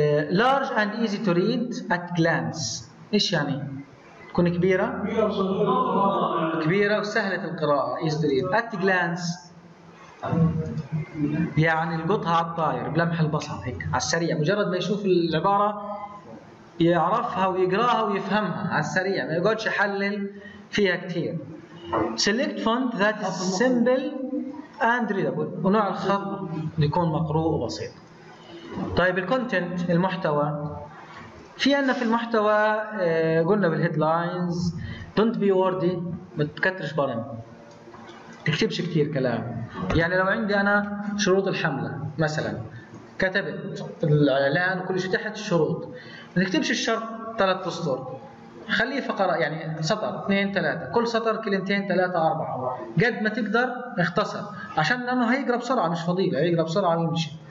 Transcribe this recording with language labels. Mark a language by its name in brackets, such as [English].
[English] Large and easy to read at glance. [Arabic] ايش يعني؟ تكون كبيرة؟ كبيرة وسهلة القراءة. [English] Easy to read at glance. [Arabic] يعني القطها على الطاير بلمح البصر هيك على السريع، مجرد ما يشوف العبارة يعرفها ويقراها ويفهمها على السريع، ما يقعدش يحلل فيها كثير. [English] Select font that is simple and readable، [Arabic] ونوع الخط يكون مقروء وبسيط. طيب الكونتنت المحتوى، في عندنا في المحتوى قلنا بالهيدلاينز [English] dont be wordy، [Arabic] ما تكترش برن، تكتبش كثير كلام. يعني لو عندي انا شروط الحمله مثلا، كتبت الاعلان وكل شيء تحت الشروط، ما تكتبش الشرط 3 سطور، خليه فقره يعني سطر 2 3، كل سطر كلمتين 3 4، قد ما تقدر اختصر عشان لانه هيقرا بسرعه، مش فضيله هيقرا بسرعه ويمشي.